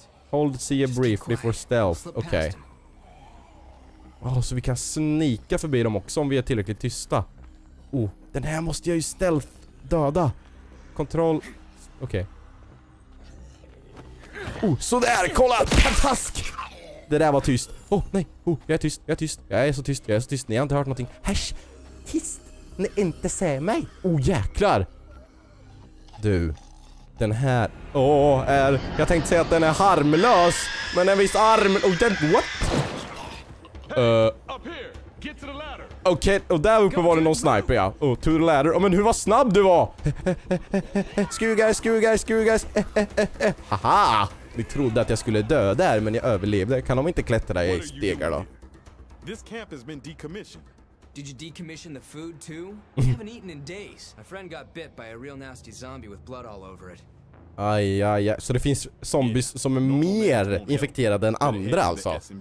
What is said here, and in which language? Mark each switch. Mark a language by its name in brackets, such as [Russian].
[English] Hold C a brief before stealth. [Swedish] Okej. Så vi kan snika förbi dem också om vi är tillräckligt tysta. Oh, den här måste jag ju stealth döda. Kontroll. Okej. Så där, kolla. Fantastisk. Det där var tyst. Nej. Jag är tyst. Jag är så tyst. Ni har inte hört någonting. Hash. Tyst. Ni inte ser mig. Jäklar. Du. Den här. Jag tänkte säga att den är harmlös, men en viss arm. [English] What? Up here. Get to the ladder. [Swedish] Okej, och där uppe var det någon sniper, ja. [English] Oh, to the ladder. [Swedish] Oh, men hur var snabb du var? Skugas. Haha! Ni trodde att jag skulle dö där, men jag överlevde. Kan de inte klättra i stegar då? [English] This camp has been decommissioned. Did you decommission the food too? We haven't eaten in days. My friend got bit by a real nasty zombie with blood all over it. [Swedish] Aj, aj, aj. Så det finns zombies som är mer infekterade än andra alltså.